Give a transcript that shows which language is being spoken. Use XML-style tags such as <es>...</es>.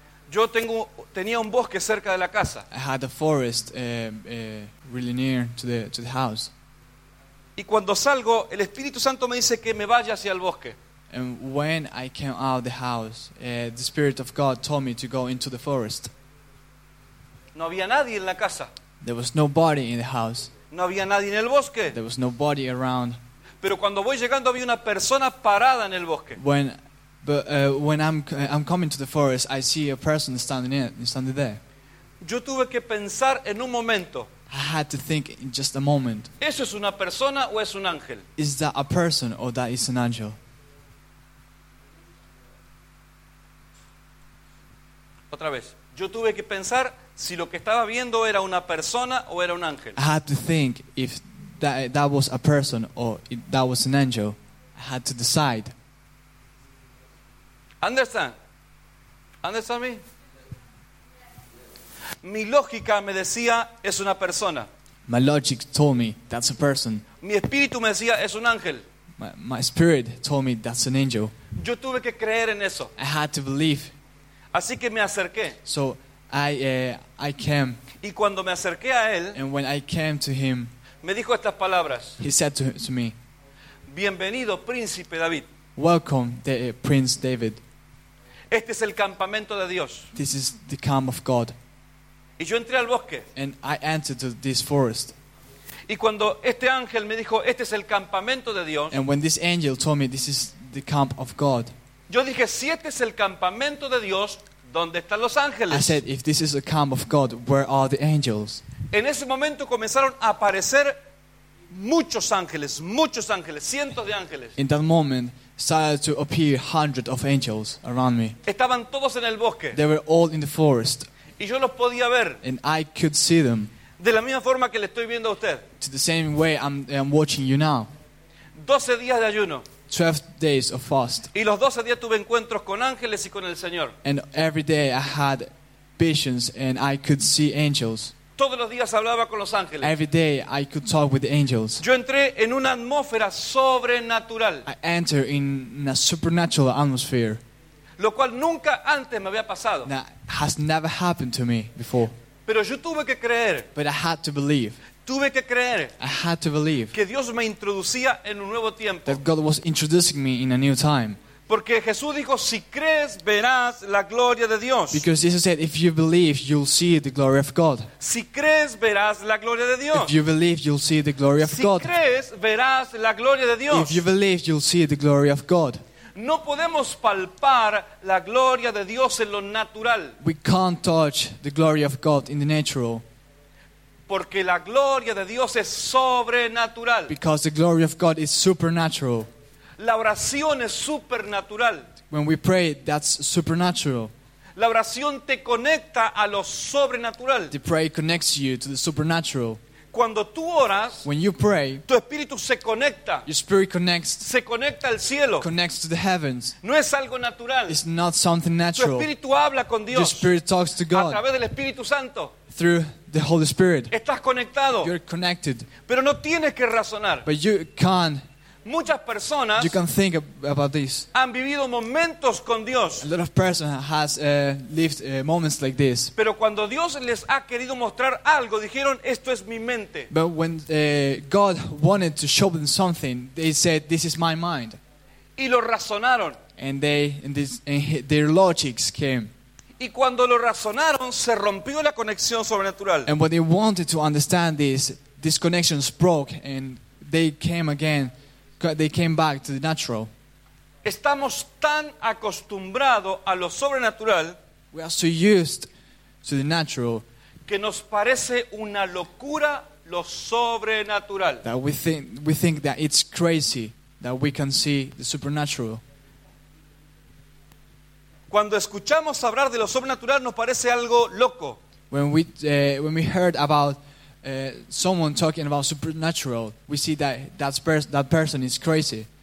<es>yo tenía un bosque cerca de la casa.</es> <en>I had a forest really near to the house.</en> <es>Y cuando salgo, el Espíritu Santo me dice que me vaya hacia el bosque.</es> <en>And when I came out of the house, the Spirit of God told me to go into the forest.</en> <es>No había nadie en la casa.</es> <en>There was nobody in the house.</en> <es>No había nadie en el bosque.</es> <en>There was nobody around.</en> <es>Pero cuando voy llegando había una persona parada en el bosque.</es> <en>When I'm coming to the forest, I see a person standing there.</en> <es>Yo tuve que pensar en un momento.</es> <en>I had to think in just a moment.</en> <es>¿Eso es una persona o es un ángel?</es> <en>Is that a person or that is an angel?</en> <es>Otra vez. Yo tuve que pensar si lo que estaba viendo era una persona o era un ángel.</es> <en>I had to think if that was a person or if that was an angel. I had to decide. Understand me?</en> <es>Mi lógica me decía es una persona.</es> <en>My logic told me that's a person.</en> <es>Mi espíritu me decía es un ángel.</es> <en>My spirit told me that's an angel.</en> <es>Yo tuve que creer en eso.</es> <en>I had to believe.</en> <es>Así que me acerqué.</es> <en>So I came.</en> <es>Y cuando me acerqué a él,</es> <en>and when I came to him,</en> <es>me dijo estas palabras.</es> <en>He said to me,</en> <es>bienvenido, príncipe David.</es> <en>Welcome, Prince David.</en> <es>Este es el campamento de Dios.</es> <en>This is the camp of God.</en> <es>Y yo entré al bosque.</es> <en>And I entered to this forest.</en> <es>Y cuando este ángel me dijo, este es el campamento de Dios.</es> <en>And when this angel told me, this is the camp of God.</en> <es>Yo dije, si este es el campamento de Dios, ¿dónde están los ángeles?</es> <en>I said, if this is the camp of God, where are the angels?</en> <es>En ese momento comenzaron a aparecer muchos ángeles, cientos de ángeles.</es> <en>In that moment, started to appear hundreds of angels around me.</en> <es>Estaban todos en el bosque.</es> <en>They were all in the forest.</en> <es>Y yo los podía ver.</es> <en>And I could see them.</en> <es>De la misma forma que le estoy viendo a usted.</es> <en>To the same way I'm watching you now.</en> <es>12 días de ayuno.</es> <en>12 days of fast.</en> <es>Y los 12 días tuve encuentros con ángeles y con el Señor.</es> <en>And every day I had visions and I could see angels.</en> <es>Todos los días hablaba con los ángeles.</es> <en>Every day I could talk with the angels.</en> <es>Yo entré en una atmósfera sobrenatural.</es> <en>I entered in a supernatural atmosphere.</en> <es>Lo cual nunca antes me había pasado.</es> <en>That has never happened to me before.</en> <es>Pero yo tuve que creer.</es> <en>But I had to believe.</en> <es>Tuve que creer.</es> <en>I had to believe.</en> <es>Que Dios me introducía en un nuevo tiempo.</es> <en>That God was introducing me in a new time.</en> <es>Porque Jesús dijo, si crees, verás la gloria de Dios.</es> <en>Because Jesus said, if you believe, you'll see the glory of God.</en> <es>Si crees, verás la gloria de Dios.</es> <en>If you believe, you'll see the glory of God.</en> <es>Si crees, verás la gloria de Dios.</es> <en>If you believe, you'll see the glory of God.</en> <es>No podemos palpar la gloria de Dios en lo natural.</es> <en>We can't touch the glory of God in the natural.</en> <es>Porque la gloria de Dios es sobrenatural.</es> <en>Because the glory of God is supernatural.</en> <es>La oración es supernatural.</es> <en>When we pray, that's supernatural.</en> <es>La oración te conecta a lo sobrenatural.</es> <en>The prayer connects you to the supernatural.</en> <es>Cuando tú oras,</es> <en>when you pray,</en> <es>tu espíritu se conecta.</es> <en>Your spirit connects.</en> <es>Se conecta al cielo.</es> <en>Connects to the heavens.</en> <es>No es algo natural.</es> <en>It's not something natural.</en> <es>Tu espíritu habla con Dios.</es> <en>Your spirit talks to God.</en> <es>A través del Espíritu Santo.</es> <en>Through the Holy Spirit.</en> <es>Estás conectado.</es> <en>You're connected.</en> <es>Pero no tienes que razonar.</es> <en>But you can't.</en> <es>Muchas personas</es> <en>you can think about this.</en> <es>Han vivido momentos con Dios.</es> <en>A lot of person has lived moments like this.</en> <es>Pero cuando Dios les ha querido mostrar algo, dijeron, esto es mi mente.</es> <en>But when God wanted to show them something, they said, this is my mind.</en> <es>Y lo razonaron.</es> <en>And they their logics came.</en> <es>Y cuando lo razonaron, se rompió la conexión sobrenatural.</es> <en>And when they wanted to understand this, these connections broke and they came again. They came back to the natural.</en> <es>Estamos tan acostumbrados a lo sobrenatural.</es> <en>We are so used to the natural.</en> <es>Que nos parece una locura lo sobrenatural.</es> <en>That we think that it's crazy that we can see the supernatural.</en> <es>Cuando escuchamos hablar de lo sobrenatural, nos parece algo loco.</es> <en>When we heard about someone talking about supernatural, we see that that person is crazy.</en>